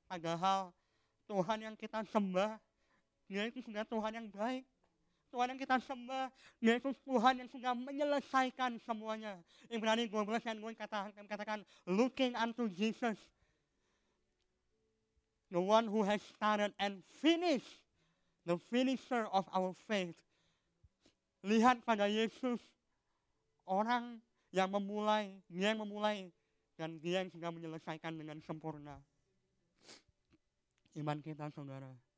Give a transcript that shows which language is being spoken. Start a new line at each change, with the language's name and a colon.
Indonesian: Padahal Tuhan yang kita sembah, Dia itu sudah Tuhan yang baik. Tuhan yang kita sembah, Dia itu Tuhan yang sudah menyelesaikan semuanya.
English: Ibrani 12
Indonesian: yang katakan,
English: looking unto Jesus, the one who has started and finished, the finisher of our faith.
Indonesian: Lihat pada Yesus, orang yang memulai, Dia yang memulai, dan Dia yang sudah menyelesaikan dengan sempurna iman kita, saudara.